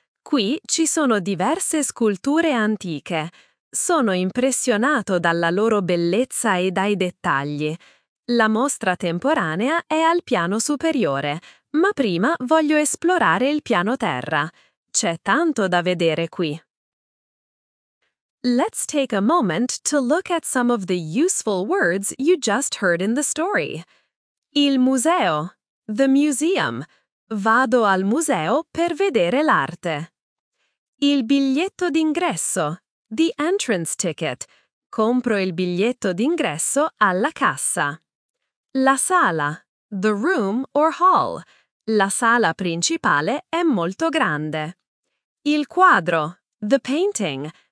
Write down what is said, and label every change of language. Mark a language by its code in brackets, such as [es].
[it] Qui ci sono diverse sculture antiche. Sono impressionato dalla loro bellezza e dai dettagli. La mostra temporanea è al piano superiore, ma prima voglio esplorare il piano terra. C'è tanto da vedere qui. [en] Let's take a moment to look at some of the useful words you just heard in the story. [it] Il museo. [en] The museum. [it] Vado al museo per vedere l'arte. Il biglietto d'ingresso. [en] The entrance ticket. [it] Compro il biglietto d'ingresso alla cassa. La sala. [en] The room or hall. [it] La sala principale è molto grande. Il quadro. [en] The painting.